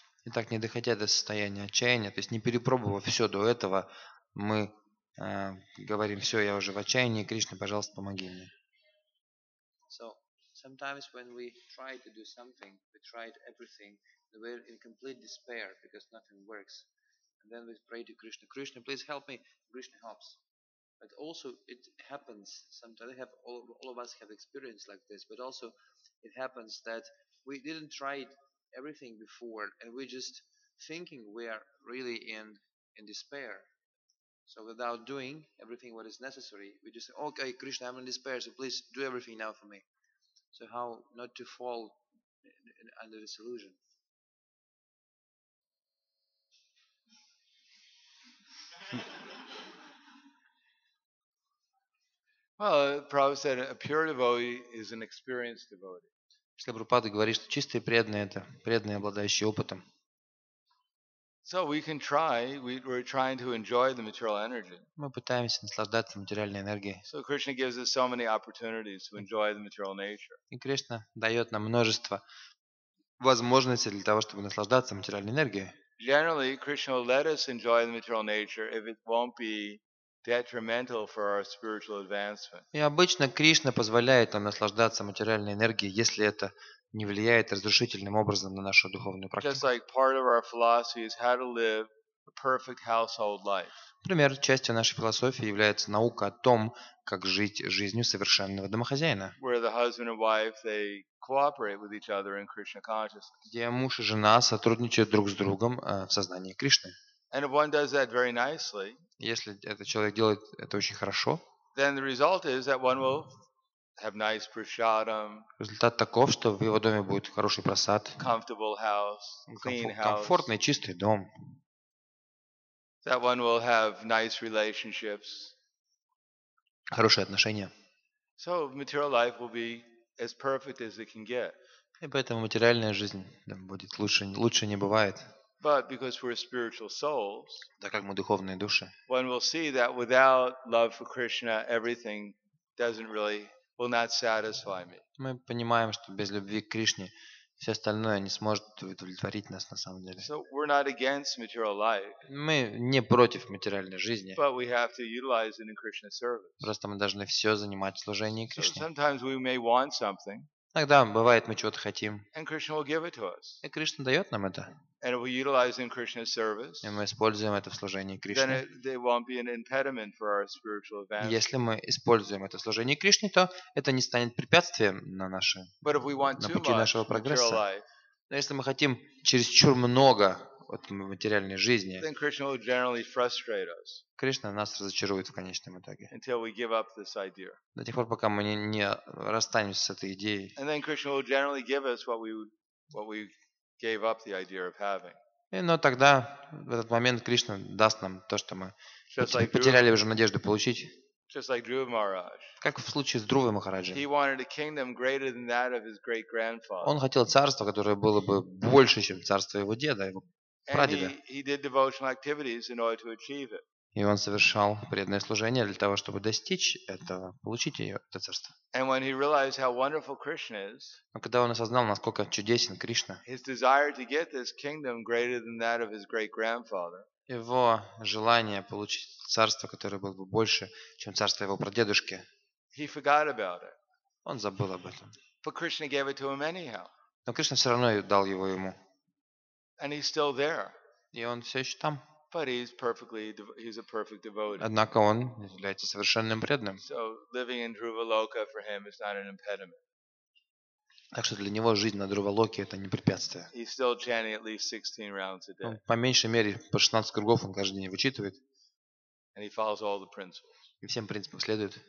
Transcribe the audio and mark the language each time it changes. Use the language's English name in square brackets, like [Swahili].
[Russian] Итак, не доходя до состояния отчаяния, то есть не перепробовав все до этого, мы говорим: все, я уже в отчаянии, Кришна, пожалуйста, помоги мне. [English] So, sometimes when we try to do something, we tried everything, we're in complete despair, because nothing works. And then we pray to Krishna, Krishna, please help me, Krishna helps. But also it happens, sometimes all of us have experience like this, but also it happens that we didn't try it everything before, and we're just thinking we are really in despair. So without doing everything what is necessary, we just say, okay, Krishna, I'm in despair, so please do everything now for me. So how not to fall under this illusion? Well, Prabhupada said a pure devotee is an experienced devotee. [Russian] Шрила Прабхупада говорит, что чистые преданные — это преданные, обладающие опытом. [English] So we can try, we're trying to enjoy the material energy. [Russian] Мы пытаемся наслаждаться материальной энергией. [English] So Krishna gives us so many opportunities to enjoy the material nature. [Russian] И Кришна дает нам множество возможностей для того, чтобы наслаждаться материальной энергией. [English] Generally, Krishna will let us enjoy the material nature if it won't be detrimental for our spiritual advancement. [Russian] И обычно Кришна позволяет нам наслаждаться материальной энергией, если это не влияет разрушительным образом на нашу духовную практику. [English] Just like part of our philosophy is how to live a perfect household life. [Russian] Например, частью нашей философии является наука о том, как жить жизнью совершенного домохозяина. [English] Where the husband and wife, they cooperate with each other in Krishna consciousness. [Russian] Где муж и жена сотрудничают друг с другом в сознании Кришны. [English] And if one does that very nicely, [Russian] если этот человек делает это очень хорошо, [English] then the result is that one will have nice prasadam. [Russian] Результат таков, что в его доме будет хороший просад, [English] comfortable house, clean house, [Russian] комфортный чистый дом. [English] That one will have nice relationships, [Russian] хорошие отношения. [English] So material life will be as perfect as it can get. [Russian] И поэтому материальная жизнь будет лучше не бывает. [English] But because we're spiritual souls, [Russian] так как мы духовные души, [English] one will see that without love for Krishna, everything doesn't really will not satisfy me. [Russian] Мы понимаем, что без любви к Кришне все остальное не сможет удовлетворить нас на самом деле. [English] So we're not against material life. [Russian] Мы не против материальной жизни. [English] But we have to utilize it in Krishna's service. [Russian] Просто мы должны все занимать в служении Кришне. [English] So sometimes we may want something. [Russian] Иногда бывает, мы чего-то хотим. [English] And Krishna will give it to us. [Russian] И Кришна дает нам это. [English] And we utilize in Krishna's service. [Russian] И мы используем это в служении Кришне. [English] Then they won't be an impediment for our spiritual advancement. [Russian] Если мы используем это в служении Кришне, то это не станет препятствием на нашем пути нашего прогресса. Но если мы хотим чересчур много от материальной жизни, [English] then Krishna will generally frustrate us. [Russian] Кришна нас разочарует в конечном итоге. [English] Until we give up this idea. [Russian] До тех пор, пока мы не расстанемся с этой идеей. [English] And then Krishna will generally give us what we gave up the idea of having. [Russian] Но тогда в этот момент Кришна даст нам то, что мы потеряли уже надежду получить. [English] Just like Dhruva Maharaj. [Russian] Как в случае с Друвой Махараджи. [English] He wanted a kingdom greater than that of his great grandfather. [Russian] Он хотел царство, которое было бы больше, чем царство его деда, его прадеда. [English] And he did devotional activities in order to achieve it. [Russian] И он совершал преданное служение для того, чтобы достичь этого, получить это царство. [English] And when he realized how wonderful Krishna is, [Russian] но когда он осознал, насколько чудесен Кришна, [English] his desire to get this kingdom greater than that of his great grandfather, [Russian] его желание получить царство, которое было бы больше, чем царство его прадедушки, [English] he forgot about it. [Russian] Он забыл об этом. [English] But Krishna gave it to him anyhow. [Russian] Но Кришна все равно дал его ему. [English] And he's still there. [Russian] И он все еще там. [English] But he's a perfect devotee. [Russian] Однако он является совершенным преданным. [English] So living in Dhruvaloka for him is not an impediment. [Russian] Так что для него жизнь на Друвалоке — это не препятствие. [English] He's still chanting at least 16 rounds a day. [Russian] Он по меньшей мере по 16 кругов он каждый день вычитывает. [English] And he follows all the principles. [Russian] И всем принципам следует.